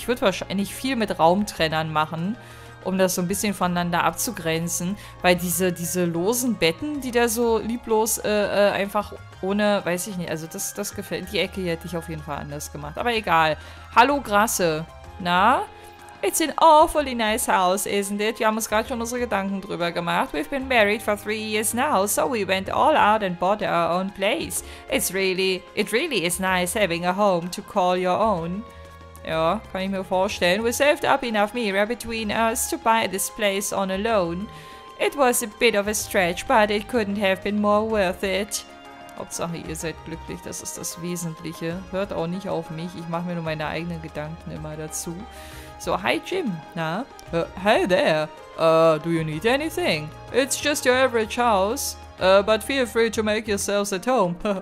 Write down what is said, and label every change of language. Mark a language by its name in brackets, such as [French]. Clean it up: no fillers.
[German] Ich würde wahrscheinlich viel mit Raumtrennern machen, um das so ein bisschen voneinander abzugrenzen, weil diese losen Betten, die da so lieblos einfach ohne, weiß ich nicht, also das gefällt, die Ecke hier hätte ich auf jeden Fall anders gemacht, aber egal. Hallo Grasse, na? [English] It's an awfully nice house, isn't it? [German] Wir haben uns gerade schon unsere Gedanken drüber gemacht. [English] We've been married for 3 years now, so we went all out and bought our own place. It really is nice having a home to call your own. [German] Ja, kann ich mir vorstellen. [English] We saved up enough Mira between us to buy this place on a loan. It was a bit of a stretch, but it couldn't have been more worth it. [German] Hauptsache, ihr seid glücklich. Das ist das Wesentliche. Hört auch nicht auf mich. Ich mache mir nur meine eigenen Gedanken immer dazu. So, hi Jim, na? [English] Hey there, do you need anything? It's just your average house, but feel free to make yourselves at home.